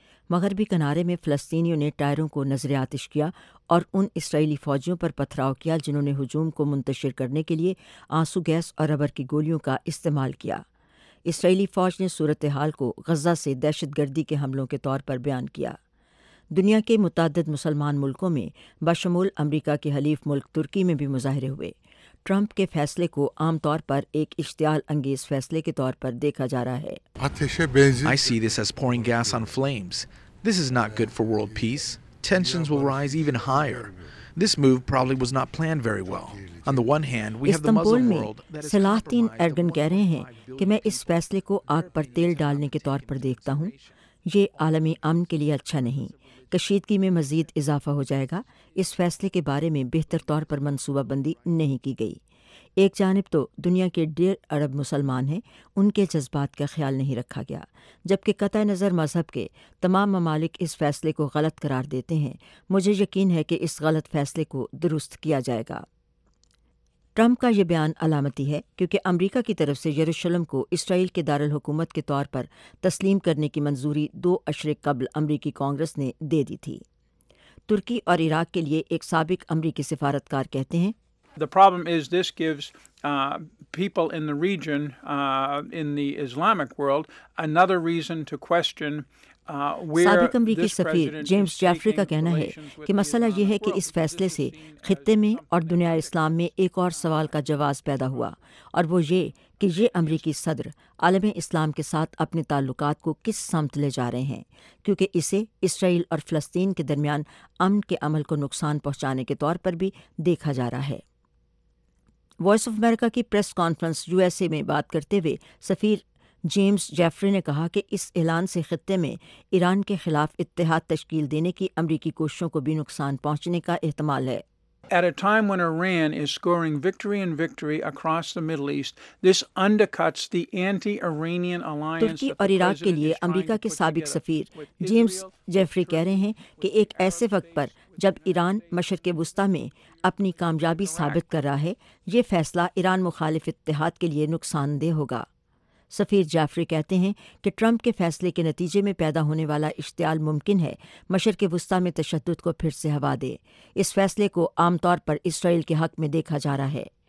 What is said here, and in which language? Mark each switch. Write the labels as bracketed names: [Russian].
[Urdu] مغربی کنارے میں فلسطینیوں نے ٹائروں کو نظر آتش کیا اور ان اسرائیلی فوجیوں پر پتھراؤ کیا جنہوں نے ہجوم کو منتشر کرنے کے لیے آنسو گیس اور ربر کی گولیوں کا استعمال کیا۔ اسرائیلی فوج نے صورتحال کو غزہ سے دہشت گردی کے حملوں کے طور پر بیان کیا۔ دنیا کے متعدد مسلمان ملکوں میں بشمول امریکہ کے حلیف ملک ترکی میں بھی مظاہرے ہوئے۔ ٹرمپ کے فیصلے کو عام طور پر ایک اشتعال انگیز فیصلے کے طور پر دیکھا جا رہا ہے۔ [English] I see this as pouring gas on flames. This is not good for world peace. Tensions will rise even higher. This move probably was not planned very well. On the one hand, we have the Muslim world that is [Urdu] Salahuddin Erdogan کہہ رہے ہیں کہ میں اس فیصلے کو آگ پر تیل ڈالنے کے طور پر دیکھتا ہوں۔ یہ عالمی امن کے لیے اچھا نہیں، کشیدگی میں مزید اضافہ ہو جائے گا۔ اس فیصلے کے بارے میں بہتر طور پر منصوبہ بندی نہیں کی گئی۔ ایک جانب تو دنیا کے 1.5 ارب مسلمان ہیں، ان کے جذبات کا خیال نہیں رکھا گیا، جبکہ قطع نظر مذہب کے تمام ممالک اس فیصلے کو غلط قرار دیتے ہیں۔ مجھے یقین ہے کہ اس غلط فیصلے کو درست کیا جائے گا۔ ٹرمپ کا یہ بیان علامتی ہے کیونکہ امریکہ کی طرف سے یروشلم کو اسرائیل کے دارالحکومت کے طور پر تسلیم کرنے کی منظوری 2 عشرے قبل امریکی کانگریس نے دے دی تھی۔ ترکی اور عراق کے لیے ایک سابق امریکی سفارتکار کہتے ہیں [English] people in the region in the Islamic world another reason to question where [Urdu] سابق امریکی سفیر جیمز جیفری کا کہنا ہے کہ مسئلہ یہ ہے کہ اس فیصلے سے خطے میں اور دنیا اسلام میں ایک اور سوال کا جواز پیدا ہوا، اور وہ یہ کہ یہ امریکی صدر عالم اسلام کے ساتھ اپنے تعلقات کو کس سمت لے جا رہے ہیں، کیونکہ اسے اسرائیل اور فلسطین کے درمیان امن کے عمل کو نقصان پہنچانے کے طور پر بھی دیکھا جا رہا ہے۔ وائس آف امریکہ کی press conference U S A میں بات کرتے ہوئے سفیر جیمز جیفری نے کہا کہ اس اعلان سے خطے میں ایران کے خلاف اتحاد تشکیل دینے کی امریکی کوششوں کو بھی نقصان پہنچنے کا احتمال ہے۔ [English] At a time when Iran is scoring victory and victory across the Middle East, this undercuts the anti-Iranian alliance. [Urdu] ترکی اور عراق کے لیے امریکہ کے سابق سفیر جیمز جیفری کہہ رہے ہیں کہ ایک ایسے وقت پر جب ایران مشرق وسطی میں اپنی کامیابی ثابت کر رہا ہے، یہ فیصلہ ایران مخالف اتحاد کے لیے نقصان دہ ہوگا۔ سفیر جیفری کہتے ہیں کہ ٹرمپ کے فیصلے کے نتیجے میں پیدا ہونے والا اشتعال ممکن ہے مشرق وسطی میں تشدد کو پھر سے ہوا دے۔ اس فیصلے کو عام طور پر اسرائیل کے حق میں دیکھا جا رہا ہے۔